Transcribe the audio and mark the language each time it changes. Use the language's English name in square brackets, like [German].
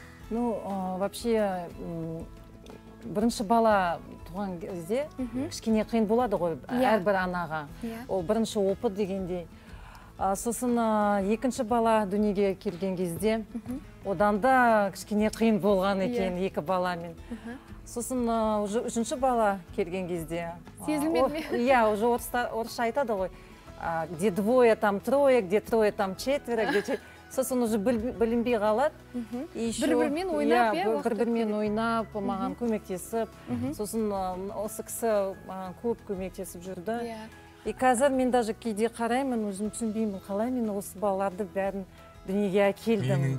[Kazakh] Ну, вообще бірінші бала туған кезде кішкене қиын болады ғой әрбір анаға. Ол бірінші опыт дегендей. Сосын екінші бала дүниеге келген кезде одан да кішкене қиын болған екен екі баламен. Сосын уже үшінші бала келген кезде сезілмеді ме? [Russian] Иә, уже [Kazakh] орысша айтады ғой, [Russian] где двое там трое, где трое там четверо, где четверо. [Kazakh] Сосын уже білінбей қалады. Бір-бірмен ойнап, иә? Бір-бірмен ойнап, маған көмектесіп. Сосын осы кісі маған көп көмектесіп жүрді. И қазір мен даже кейде қараймын, өзім түсінбеймін, қалай мен осы балаларды бәрін дүниеге әкелдім.